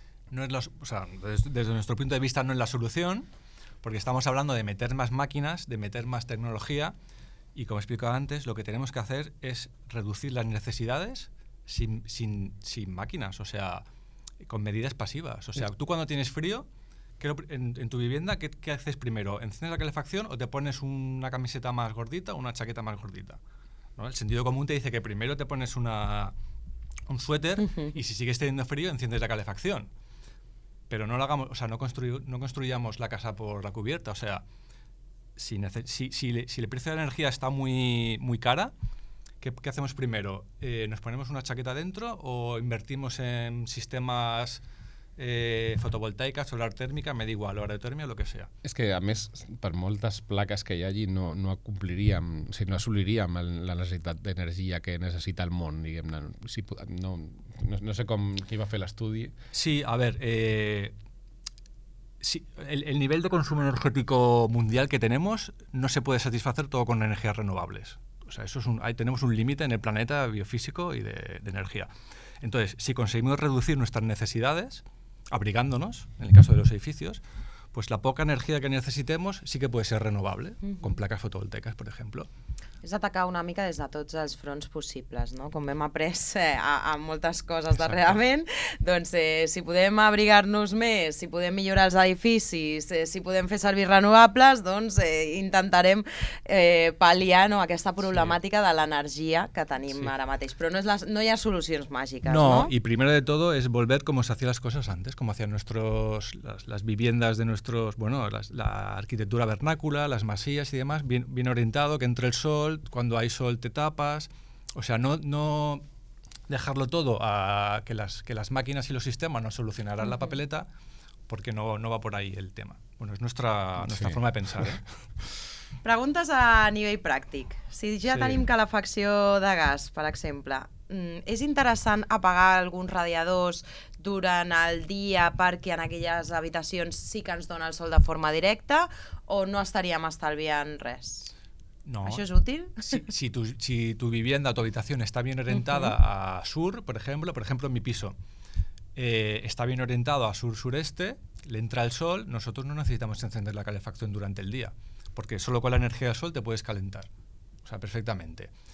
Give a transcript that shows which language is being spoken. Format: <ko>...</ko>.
<ca>No és des del nostre punt de vista no és la solució, perquè estem parlant de meter més màquines, de meter més tecnologia i com explicava antes,</ca> <es>lo que tenemos que hacer es reducir las necesidades sin máquinas, o sea, con medidas pasivas. O sea, tú cuando tienes frío, en tu vivienda, ¿qué haces primero? ¿Enciendes la calefacción o te pones una camiseta más gordita o una chaqueta más gordita? ¿No? El sentido común te dice que primero te pones un suéter y si sigues teniendo frío, enciendes la calefacción. Pero no lo hagamos, o sea, no construyamos la casa por la cubierta. O sea, si el precio de la energía está muy cara, ¿Qué hacemos primero? ¿Nos ponemos una chaqueta dentro o invertimos en sistemas fotovoltaicas, solar térmica, me da igual, aerotermia o lo que sea?</es> <ca>És que, a més, per moltes plaques que hi hagi, no acompliríem, o sigui, no assoliríem la necessitat d'energia que necessita el món, diguem-ne. Si, no sé com, qui va fer l'estudi.</ca> <es>Sí, a ver, sí, el nivel de consumo energético mundial que tenemos no se puede satisfacer todo con energías renovables. O sea, ahí tenemos un límite en el planeta biofísico y de energía. Entonces, si conseguimos reducir nuestras necesidades, abrigándonos, en el caso de los edificios, pues la poca energía que necesitemos sí que puede ser renovable, con placas fotovoltaicas, por ejemplo.</es> <ca>És atacar una mica des de tots els fronts possibles, no? Com hem après a moltes coses darrerament, doncs si podem abrigar-nos més, si podem millorar els edificis, si podem fer servir renovables, doncs intentarem pal·liar, no, aquesta problemàtica, sí, de l'energia que tenim, sí, ara mateix. Però no hi ha solucions màgiques, no?</ca> <es>No, y primero de todo es volver como se hacían las cosas antes, como hacían nuestros, las viviendas de nuestros, bueno, la arquitectura vernácula, las masías y demás, bien orientado, que entre el sol, cuando hay sol te tapas, o sea, no dejarlo todo a que las máquinas y los sistemas no solucionarán, uh-huh, la papeleta, porque no va por ahí el tema. Bueno, es nuestra sí, forma de pensar, ¿eh?</es> <ca>Preguntes a nivell pràctic. Si ja, sí, tenim calefacció de gas, per exemple, és interessant apagar alguns radiadors durant el dia perquè en aquelles habitacions sí que ens dona el sol de forma directa, o no estaríem estalviant res? No. ¿Això és útil?</ca> <es>Si tu vivienda o tu habitación está bien orientada, uh-huh, a sur, por ejemplo, en mi piso, está bien orientado a sur-sureste, le entra el sol, nosotros no necesitamos encender la calefacción durante el día, porque solo con la energía del sol te puedes calentar, o sea, perfectamente.</es>